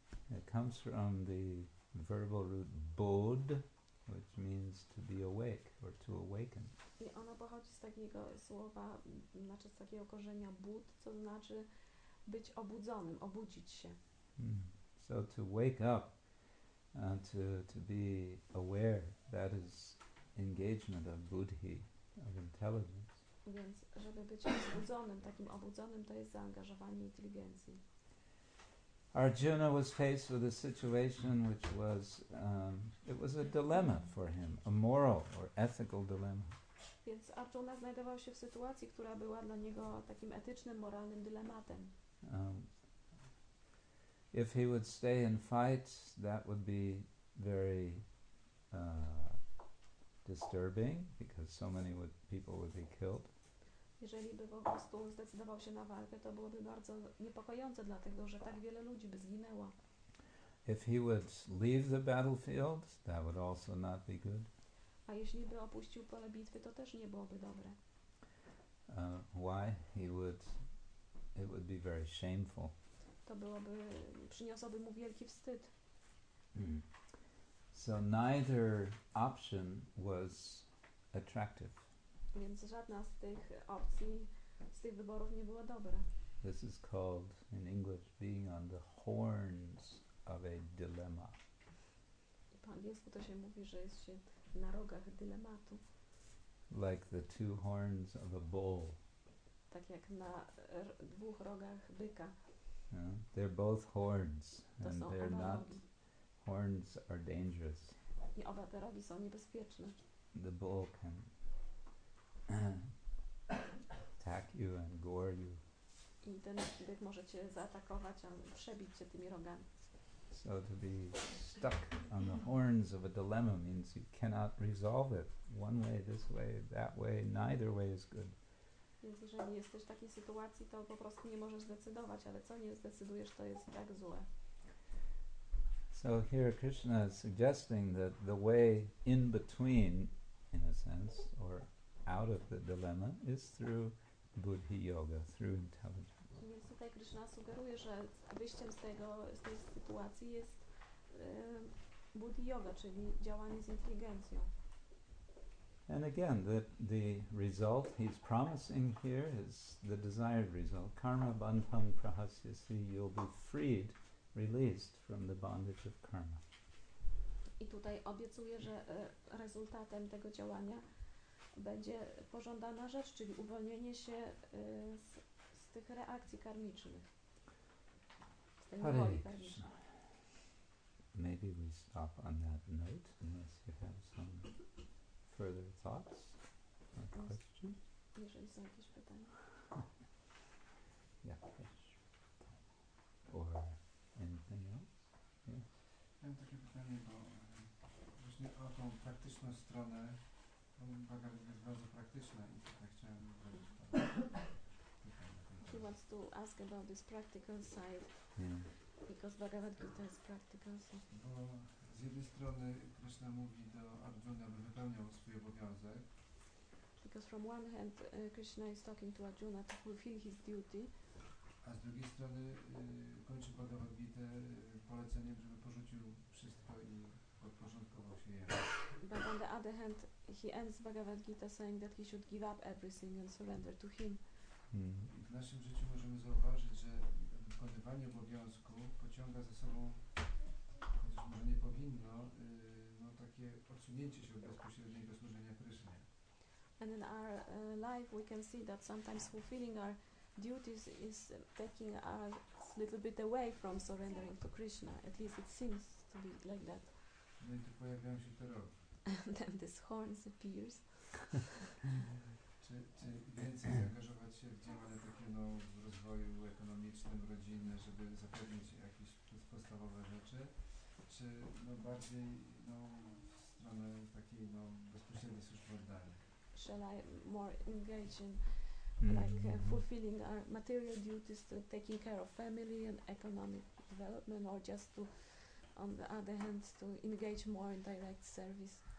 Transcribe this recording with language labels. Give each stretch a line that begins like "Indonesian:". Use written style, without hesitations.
English: It comes from the verbal root bodh, which means to be awake or to awaken.
Polish: I ono pochodzi z takiego słowa, znaczy z takiego korzenia bodh, co znaczy być obudzonym, obudzić się.
English: So to wake up. To be aware, that is engagement of buddhi. of intelligence.
Polish: Więc żeby być obudzonym, takim obudzonym, to jest zaangażowanie inteligencji.
English: Arjuna was faced with a situation which was it was a dilemma for him, a moral or ethical dilemma.
Polish: Więc Arjuna znajdował się w sytuacji, która była dla niego takim etycznym, moralnym dylematem.
English: If he would stay and fight, that would be very disturbing, because so many would, people would be killed.
Polish: Jeżeli by po prostu zdecydował się na walkę, to byłoby bardzo niepokojące, dlatego że tak wiele ludzi by zginęło.
English: If he would leave the battlefield, that would also not be good.
Polish: A jeśli by opuścił pole bitwy, to też nie byłoby dobre.
English: Why? It would be very shameful.
Polish: To byłoby, przyniosłoby mu wielki wstyd.
English: So neither option was attractive.
Polish: Więc żadna z tych opcji, z tych wyborów nie była dobra.
English: This is called in English being on the horns of a dilemma.
Polish: Po angielsku to się mówi, że jest się na rogach dylematu.
English: Like the two horns of a bull.
Polish: Tak jak na dwóch rogach byka.
English: Yeah, they're both horns, and they're not. Horns are dangerous.
Polish: I oba te rogi są niebezpieczne.
English: The bull can attack you and gore you.
Polish: I ten byk może cię zaatakować, a przebić cię tymi rogami.
English: So to be stuck on the horns of a dilemma means you cannot resolve it. One way, this way, that way, neither way is good.
Polish: Więc jeżeli jesteś w takiej sytuacji, to po prostu nie możesz zdecydować, ale co nie zdecydujesz, to jest tak złe.
English: So here Krishna is suggesting that the way in between, in a sense, or out of the dilemma, is through buddhi yoga, through intelligence.
Polish: Więc tutaj Krishna sugeruje, że wyjściem z tego, z tej sytuacji jest buddhi yoga, czyli działanie z inteligencją.
English: And again, the result he's promising here is the desired result.
Sanskrit: Karma bandham prahasyasi,
English: you'll be freed, released from the bondage of karma.
Polish: I tutaj obiecuje, że rezultatem tego działania będzie pożądana rzecz, czyli uwolnienie się z tych reakcji karmicznych. Z tej niewoli karmicznej.
English: Maybe we stop on that note, unless you have some further thoughts or questions?
Polish: Jeżeli są jakieś pytania. Jakieś pytania.
English: Or anything else? Yes.
Polish: Mam takie pytanie, bo właśnie o tą praktyczną stronę, Bhagavad Gita jest bardzo praktyczna i tak chciałem powiedzieć.
English: He wants to ask about this practical side. Yeah. Because Bhagavad Gita is practical side.
Polish: Bo z jednej strony Krishna mówi do Arjuna, aby wypełniał swój obowiązek.
English: Because from one hand Krishna is talking to Arjuna to fulfill his duty.
Polish: A z drugiej strony kończy Bhagavad Gita poleceniem, żeby porzucił wszystko i podporządkował się jemu.
English: But on the other hand he ends Bhagavad Gita saying that he should give up everything and surrender to him.
Polish: W naszym życiu możemy zauważyć, że wykonywanie obowiązku pociąga za sobą, chociaż może nie powinno, no takie odsunięcie się od bezpośredniego służenia Krysznie.
English: And in our life we can see that sometimes fulfilling our duties is taking us a little bit away from surrendering to Krishna. At least it seems to be like that.
Polish: No i tu pojawiają się te rogi.
English: And then this horns appears.
Polish: Czy więcej zaangażować się w działania takie no, w rozwoju ekonomicznym, rodzinne, żeby zapewnić jakieś podstawowe rzeczy, czy no, bardziej no, w stronę takiej no, bezpośredniej służby oddania?
English: Shall I more engage in like fulfilling our material duties, to taking care of family and economic development, or just to, on the other hand, to engage more in direct service?